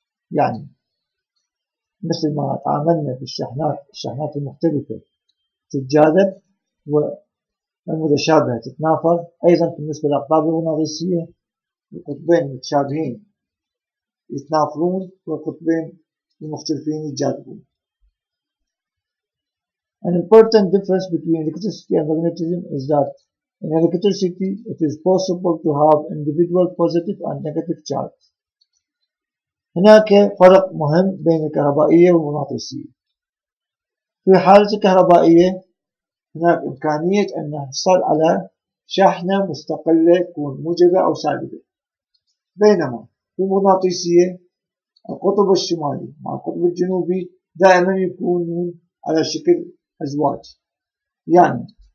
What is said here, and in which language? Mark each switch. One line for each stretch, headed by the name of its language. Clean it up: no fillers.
Arabic: يعني مثل ما تعاملنا في الشحنات المختلفة تتجاذب والمتشابهة تتنافر، أيضا بالنسبة للأقطاب المغناطيسية القطبين المتشابهين يتنافرون والقطبين المختلفين يتجاذبون.
English: An important difference between electricity and magnetism is that in electricity it is possible to have individual positive and negative charge.
Arabic: هناك فرق مهم بين الكهربائية والمغناطيسية. في حالة الكهربائية هناك إمكانية أن نحصل على شحنة مستقلة تكون موجبة أو سالبة، بينما في المغناطيسية القطب الشمالي مع القطب الجنوبي دائما يكونون على شكل أزواج، يعني